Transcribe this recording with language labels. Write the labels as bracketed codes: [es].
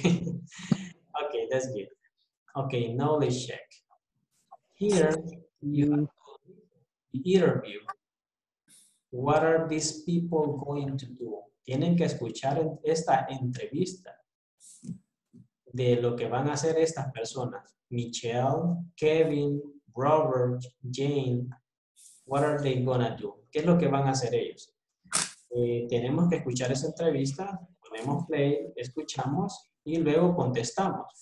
[en] Okay, that's good. Okay, knowledge check. Here you have the interview. What are these people going to do? [es] Tienen que escuchar esta entrevista de lo que van a hacer estas personas. [en] Michelle, Kevin, Robert, Jane, what are they gonna do? [es] ¿Qué es lo que van a hacer ellos? Tenemos que escuchar esa entrevista, ponemos play, escuchamos y luego contestamos.